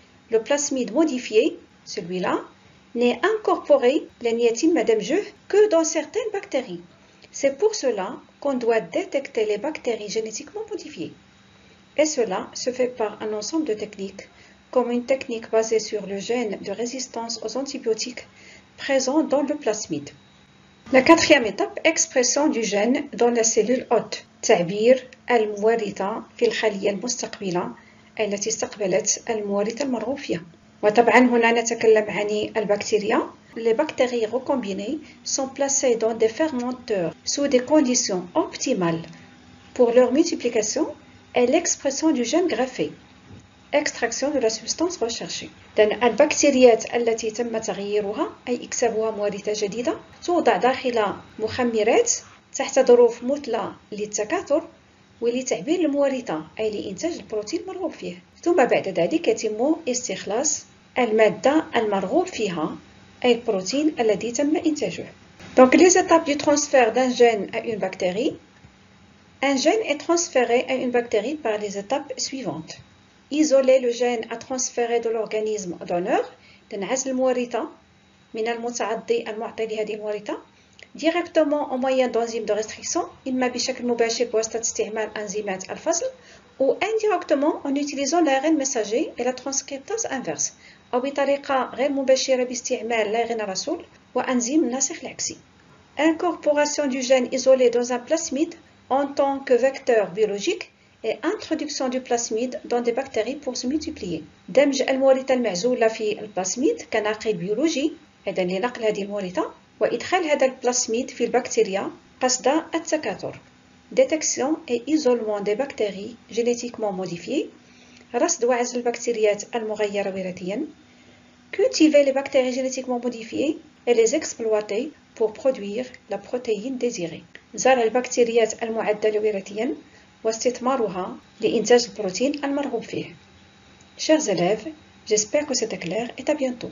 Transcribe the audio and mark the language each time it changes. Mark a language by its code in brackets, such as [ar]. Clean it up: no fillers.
[fr] Le plasmide modifié, celui-là, n'est incorporé, [ar] لن يتم دمجه, [fr] que dans certaines bactéries. C'est pour cela qu'on doit détecter les bactéries génétiquement modifiées. Et cela se fait par un ensemble de techniques, comme une technique basée sur le gène de résistance aux antibiotiques présent dans le plasmide. La quatrième étape, expression du gène dans la cellule hôte. [ar] تعبير المورثة في الخلية المستقبلة التي استقبلت المورثة المرغوب فيها. وطبعا هنا نتكلم عن البكتيريا. [fr] Les bactéries recombinées sont placées dans des fermenteurs sous des conditions optimales pour leur multiplication et l'expression du gène greffé. Extraction de la substance recherchée. Donc, les bactéries [ar] التي تم تغييرها أي اكسبوها موارثة جديدة توضع داخل مخمرات تحت ظروف مثلى للتكاثر ولتعبير الموارثة أي لإنتاج البروتين المرغوب فيه. ثم بعد ذلك يتم استخلاص المادة المرغوب فيها أي البروتين الذي تم إنتاجه. [fr] Donc, les étapes du transfert d'un gène à une bactérie. Un gène est transféré à une bactérie par les étapes suivantes. Isoler le gène à transférer de l'organisme donneur, [ar] نعزل الموريثة من المتعدي المعطي لهذه الموريثة, [fr] directement au moyen d'enzymes de restriction, [ar] إما بشكل مباشر بواسطة استعمال انزيمات الفصل, [fr] ou indirectement en utilisant l'ARN messager et la transcriptase inverse, [ar] أو بطريقة غير مباشرة باستعمال l'ARN الرسول وانزيم الناسخ العكسي. [fr] Incorporation du gène isolé dans un plasmide en tant que vecteur biologique, et introduction du plasmide dans des bactéries pour se multiplier. [ar] دمج الموريثة المعزولة في البلازميد كناقل بيولوجي, إذا لنقل هذه الموريثة, وإدخال هذا البلازميد في البكتيريا قصد التكاثر. [fr] Détection et isolement des bactéries génétiquement modifiées, [ar] رصد وعزل البكتيريات المغيرة وراثيا, [fr] cultiver les bactéries génétiquement modifiées et les exploiter pour produire la protéine désirée. [ar] زرع البكتيريات المعدلة وراثيا واستثمارها لإنتاج البروتين المرغوب فيه. [fr] Chers élèves, j'espère que c'était clair et à bientôt.